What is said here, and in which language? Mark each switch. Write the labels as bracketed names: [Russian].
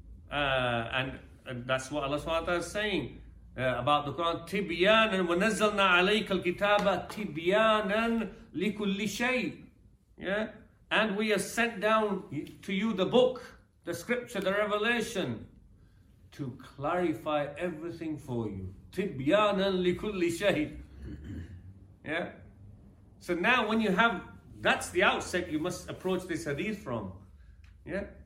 [English] And that's what Allah SWT is saying about the Quran. [Arabic] تبيانا ونزلنا عليك الكتاب تبيانا لكل شيء. [English] And we have sent down to you the book, the scripture, the revelation, to clarify everything for you. [Arabic] Tibyanan likulli shahid. Yeah? [English] So now when you have, that's the outset you must approach this hadith from. Yeah?